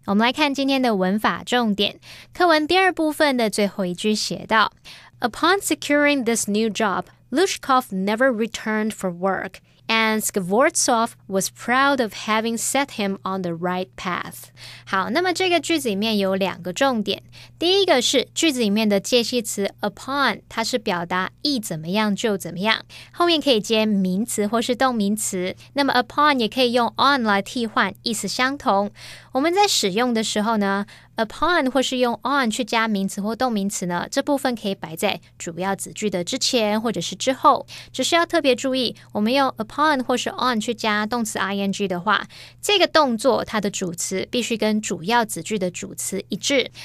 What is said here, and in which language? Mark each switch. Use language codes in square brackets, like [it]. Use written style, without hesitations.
[zh] 我们来看今天的文法重点。课文第二部分的最后一句写道， [en] Upon securing this new job, Lushkov never returned for work, and Skvortsov was proud of having set him on the right path. [zh] 好，那么这个句子里面有两个重点。第一个是句子里面的介系词 upon， 它是表达一怎么样就怎么样，后面可以接名词或是动名词，那么 upon 也可以用 on 来替换，意思相同。我们在使用的时候呢， upon 或是用 on 去加名词或动名词呢，这部分可以摆在主要子句的之前或者是之后，只是要特别注意，我们用 upon 或是 on 去加动词 ing 的话，这个动作它的主词必须跟主要子句的主词一致。